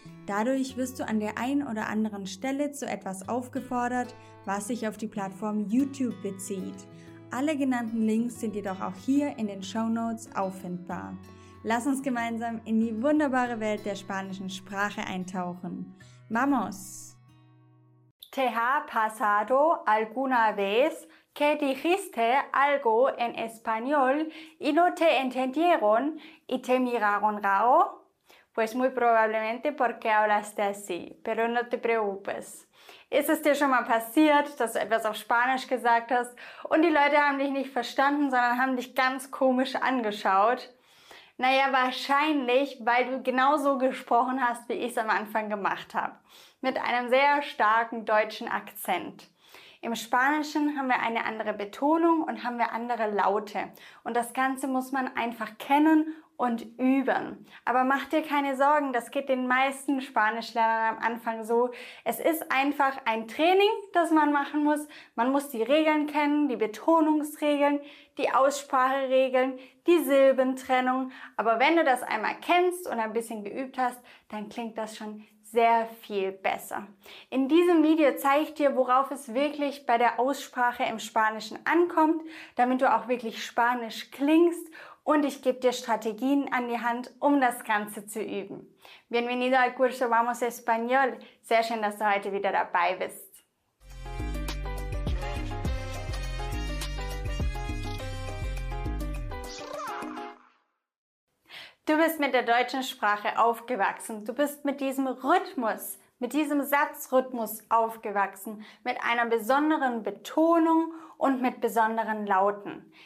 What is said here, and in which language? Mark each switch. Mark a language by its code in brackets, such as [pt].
[de] Dadurch wirst du an der einen oder anderen Stelle zu etwas aufgefordert, was sich auf die Plattform YouTube bezieht. Alle genannten Links sind jedoch auch hier in den Shownotes auffindbar. Lass uns gemeinsam in die wunderbare Welt der spanischen Sprache eintauchen. [es] ¡Vamos! ¿Te ha pasado alguna vez que dijiste algo en español y no te entendieron y te miraron raro? Pues muy probablemente porque hablaste así, pero no te preocupes. [de] Ist es dir schon mal passiert, dass du etwas auf Spanisch gesagt hast und die Leute haben dich nicht verstanden, sondern haben dich ganz komisch angeschaut? Naja, wahrscheinlich, weil du genauso gesprochen hast, wie ich es am Anfang gemacht habe. Mit einem sehr starken deutschen Akzent. Im Spanischen haben wir eine andere Betonung und haben wir andere Laute. Und das Ganze muss man einfach kennen und üben. Aber mach dir keine Sorgen, das geht den meisten Spanischlernern am Anfang so. Es ist einfach ein Training, das man machen muss. Man muss die Regeln kennen, die Betonungsregeln, die Ausspracheregeln, die Silbentrennung. Aber wenn du das einmal kennst und ein bisschen geübt hast, dann klingt das schon sehr viel besser. In diesem Video zeige ich dir, worauf es wirklich bei der Aussprache im Spanischen ankommt, damit du auch wirklich Spanisch klingst. Und ich gebe dir Strategien an die Hand, um das Ganze zu üben. [es] Bienvenido al curso Vamos Español. [de] Sehr schön, dass du heute wieder dabei bist. Du bist mit der deutschen Sprache aufgewachsen. Du bist mit diesem Rhythmus, mit diesem Satzrhythmus aufgewachsen, mit einer besonderen Betonung und mit besonderen Lauten.